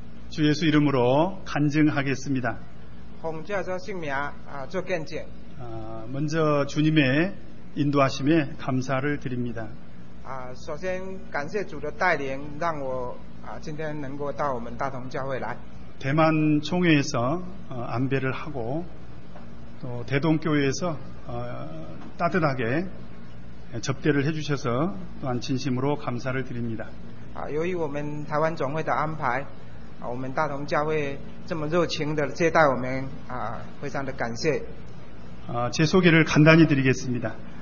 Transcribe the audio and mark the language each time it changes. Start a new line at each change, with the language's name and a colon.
Korean: 주예수이름으로간증하겠습니다。
Chinese: 奉主耶稣圣名啊，做见证。
Korean: 먼저주님의인도하심에감사를드립니다。
Chinese: 啊，首先感谢主的带领，让我啊今天能够到我们大同教会来。
Korean: 대만총회에서안배를하고또대동교회에서따뜻하게접대를해주셔서또한진심으로감사를드립니다。
Chinese: 啊，由于我们台湾总会的安排，啊，我们大同教会这么热情的接待我们，啊，非常的感谢。
Korean: 제 소개를 간단히 드리겠습니다.